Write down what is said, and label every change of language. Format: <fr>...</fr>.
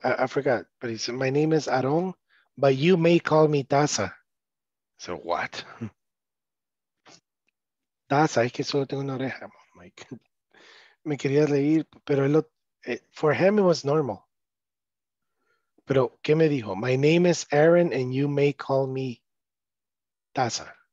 <en>I forgot, but he said, my name is Aarón, but you may call me taza. So what?</en> <es>Taza, es que solo tengo una oreja.</es> <en>Oh, my God.</en> <es>Me quería reír, pero</es> <en>For him, it was normal.</en> <es>Pero, ¿qué me dijo?</es> <en>My name is Aaron and you may call me Taza.</en>